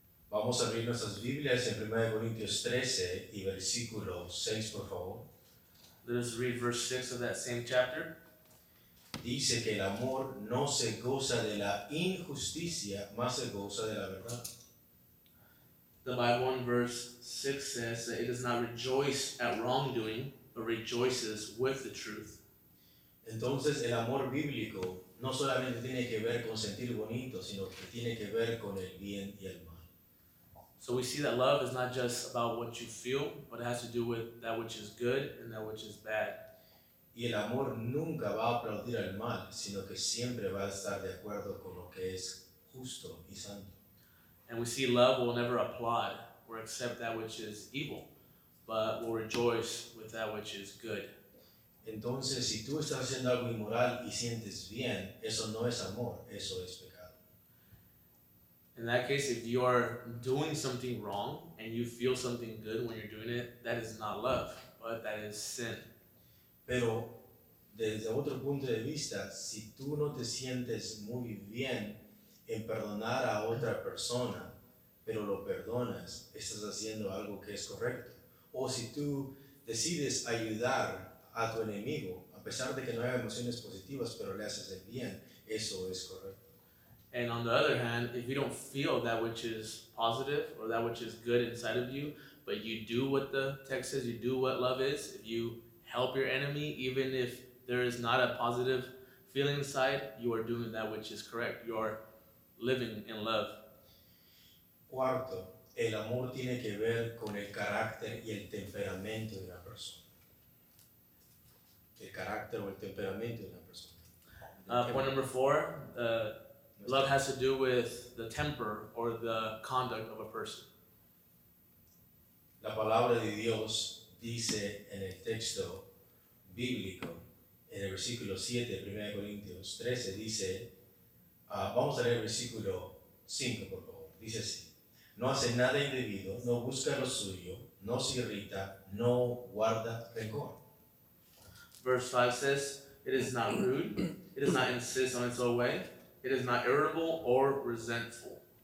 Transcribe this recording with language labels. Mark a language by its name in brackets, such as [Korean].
[Spanish] Vamos a abrir nuestras Biblias en 1 Corintios 13 y versículo 6, por favor. [English] Let us read verse 6 of that same chapter. [Spanish] Dice que el amor no se goza de la injusticia, más se goza de la verdad. [English] The Bible in verse 6 says that it does not rejoice at wrongdoing, but rejoices with the truth. [Spanish] Entonces, el amor bíblico no solamente tiene que ver con sentir bonito, sino que tiene que ver con el bien y el mal. [English] So we see that love is not just about what you feel, but it has to do with that which is good and that which is bad. [Spanish] Y el amor nunca va a aplaudir al mal, sino que siempre va a estar de acuerdo con lo que es justo y santo. [English] And we see love will never applaud or accept that which is evil, but will rejoice with that which is good. [Spanish] Entonces, si tú estás haciendo algo inmoral y sientes bien, eso no es amor, eso es pecado. [English] In that case, if you are doing something wrong and you feel something good when you're doing it, that is not love, but that is sin. [Spanish] Pero, desde otro punto de vista, si tú no te sientes muy bien en perdonar a otra persona, pero lo perdonas, estás haciendo algo que es correcto. O si tú decides ayudar a tu enemigo, a pesar de que no haya emociones positivas, pero le haces el bien, eso es correcto. [English] And on the other hand, if you don't feel that which is positive or that which is good inside of you, but you do what the text says, you do what love is, if you help your enemy, even if there is not a positive feeling inside, you are doing that which is correct. You are living in love. [Spanish] Cuarto, el amor tiene que ver con el carácter y el temperamento de una persona. El carácter o el temperamento de una persona. [English] Point number four, love has to do with the temper or the conduct of a person. [Spanish] La palabra de Dios dice en el texto bíblico, en el versículo 7 de 1 Corintios 13, dice, vamos a leer el versículo 5, por favor. Dice así: no hace nada indebido, no busca lo suyo, no se irrita, no guarda rencor. [English] Verse 5 says, it is not rude, it does not insist on its own way, it is not irritable or resentful.